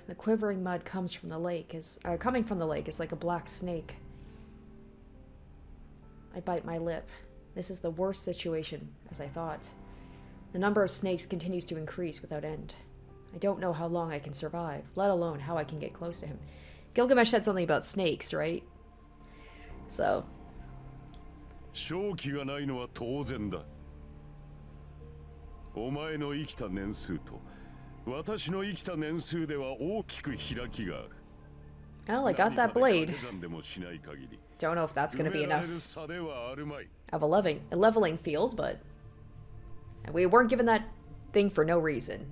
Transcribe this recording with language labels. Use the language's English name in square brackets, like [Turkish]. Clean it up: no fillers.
[English] The quivering mud comes from the lake is, coming from the lake is like a black snake. I bite my lip. This is the worst situation, as I thought. The number of snakes continues to increase without end. I don't know how long I can survive, let alone how I can get close to him. Gilgamesh said something about snakes, right? So. [Japanese] 勝機がないのは当然だ。お前の生きた年数と私の生きた年数では大きく開きがある。 [English] Well, I got that blade. Don't know if that's going to be enough of a leveling field, but we weren't given that thing for no reason.